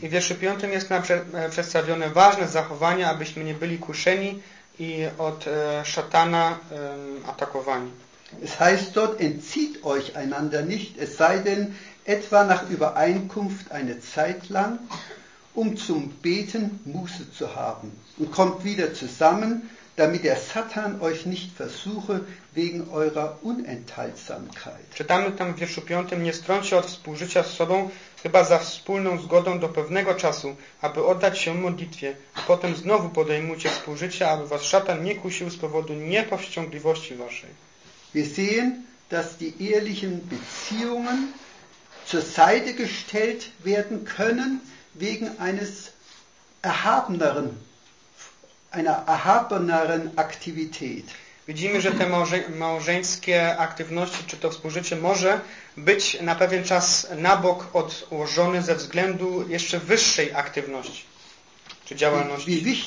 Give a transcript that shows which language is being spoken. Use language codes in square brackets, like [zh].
[pl] I w wierszu 5 jest nam przedstawione ważne zachowania, abyśmy nie byli kuszeni i od szatana atakowani. [de] Es heißt dort, entzieht euch einander nicht, es sei denn, etwa nach Übereinkunft eine Zeit lang, um zum Beten Muße zu haben, und kommt wieder zusammen, damit der Satan euch nicht versuche wegen eurer Unenthaltsamkeit. [pl] Czytamy tam w wierszu 5, nie strąć się od współżycia z sobą, chyba za wspólną zgodą do pewnego czasu, aby oddać się modlitwie, a potem znowu podejmujcie współżycia, aby was szatan nie kusił z powodu niepowściągliwości waszej. [de] Wir sehen, dass die ehelichen Beziehungen zur Seite gestellt werden können wegen eines erhabeneren, einer erhabeneren Aktivität. [pl] Widzimy, że te małżeńskie aktywności, czy to współżycie może być na pewien czas na bok odłożone ze względu jeszcze wyższej aktywności, czy działalności.